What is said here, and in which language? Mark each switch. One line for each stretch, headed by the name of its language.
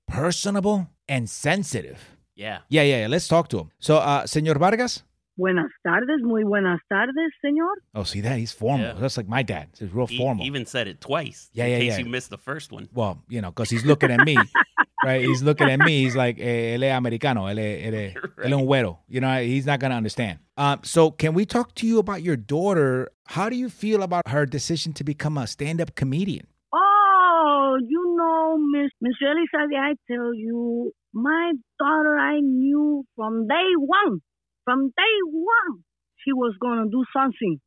English: right? Personable and sensitive. Yeah. Let's talk to him. So, Señor Vargas.
Spanish: Buenas tardes, muy buenas tardes, señor.
English: Oh, see that? He's formal. Yeah. That's like my dad. He's real formal. He even said it twice. Yeah, in case you missed the first one. Well, you know, because he's looking at me, right? He's looking at me. He's like,
Spanish: él es americano, él es un güero.
English: You know, he's not going to understand. So can we talk to you about your daughter? How do you feel about her decision to become a stand-up comedian? Oh, you know, Miss Elizabeth, I tell you, my daughter I knew from day one. From day one, she was going to do something.